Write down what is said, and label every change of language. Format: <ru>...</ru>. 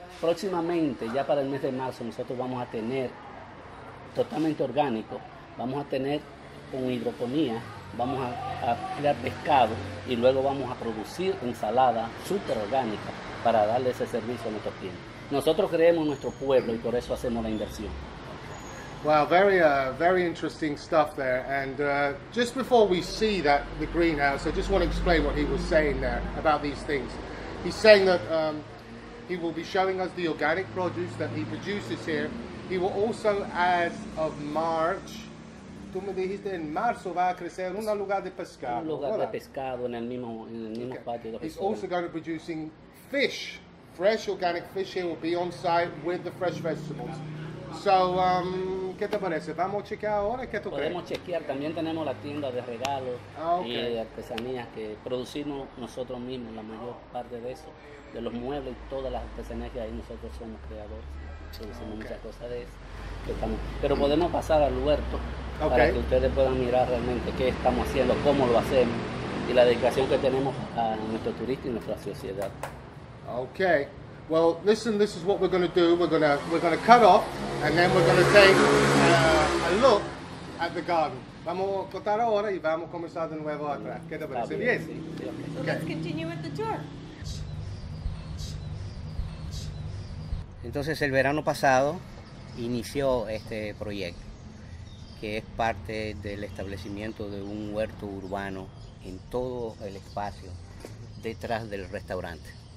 <es>Próximamente, ya para el mes de marzo, nosotros vamos a tener totalmente orgánico, vamos a tener con hidroponía, vamos a crear pescado y luego vamos a producir ensalada súper orgánica para darle ese servicio a nuestros clientes. Nosotros creemos en nuestro pueblo y por eso hacemos la inversión.</es> <en>Well, very, very interesting stuff there. And just before we see that the greenhouse, I just want to explain what he was saying there about these things. He's saying that he will be showing us the organic produce that he produces here. He will also, as of March,</en> <es>tú me dijiste en marzo va a crecer un lugar de pescado. Un lugar de pescado en el mismo okay. Patio de pescado.</es> <en>He's also going to be producing fish, fresh organic fish. Here will be on site with the fresh vegetables. So,</en> <es>¿qué te parece? ¿Vamos a chequear ahora? ¿Qué tú crees? Podemos chequear. También tenemos la tienda de regalos y de artesanías que producimos nosotros mismos, la mayor parte de eso, de los muebles y todas las artesanías que ahí nosotros somos creadores. Producimos muchas cosas de eso. Pero podemos pasar al huerto para que ustedes puedan mirar realmente qué estamos haciendo, cómo lo hacemos y la dedicación que tenemos a nuestro turista y nuestra sociedad. Ok.</es> <en>Well, listen, this is what we're going to do. We're going to cut off, and then we're going to take a look at the garden.</en> <es>Vamos a cortar ahora y vamos a comenzar de nuevo atrás. ¿Qué te parece? Bien.</es> <en>So let's continue with the tour.</en> <es>Entonces, el verano pasado inició este proyecto, que es parte del establecimiento de un huerto urbano en todo el espacio detrás del restaurante.</es>